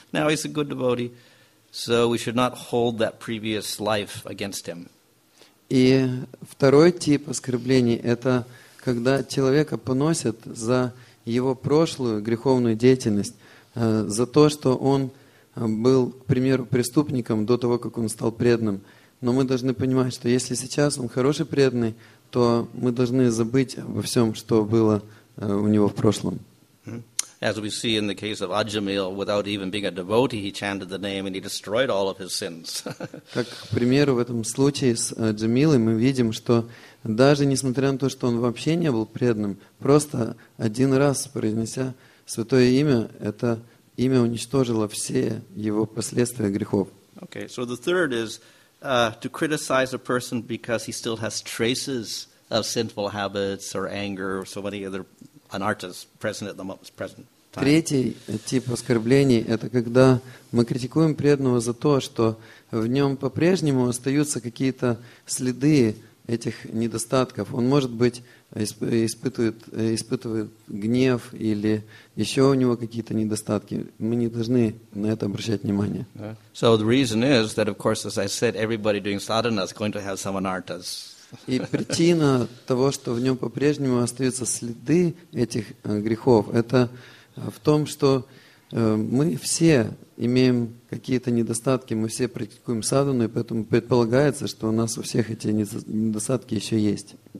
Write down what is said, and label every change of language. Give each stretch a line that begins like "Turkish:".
English: Now he's a good devotee, so we should not hold that previous life against him.
Russian: И второй тип оскорблений – это когда человека поносят за его прошлую греховную деятельность, за то, что он был, к примеру, преступником до того, как он стал преданным. Но мы должны понимать, что если сейчас он хороший преданный, то мы должны забыть обо всем, что было у него в прошлом.
English: As we see in the case of Ajamil, without even being a devotee, he chanted the name and he destroyed all of his sins.
Russian: Как, к примеру, в этом случае с Джамилой мы видим, что даже несмотря на то, что он вообще не был преданным, просто один раз произнеся святое имя, это имя уничтожило все его последствия грехов.
English: Okay, so the third is to criticize a person because he still has traces of sinful habits or anger or so many other anarthas present at the moment, present time.
Russian: Третий тип оскорблений – это когда мы критикуем преданного за то, что в нем по-прежнему остаются какие-то следы этих недостатков. Он, может быть, испытывает гнев или еще у него какие-то недостатки. Мы не должны на это обращать внимание.
English: So the reason is that, of course, as I said, everybody doing sadhana is going to have some anarthas.
Russian: И причина того, что в нем по-прежнему остаются следы этих грехов, это в том, что мы все имеем какие-то недостатки, мы все практикуем садхану, и поэтому предполагается, что у нас у всех эти недостатки еще есть.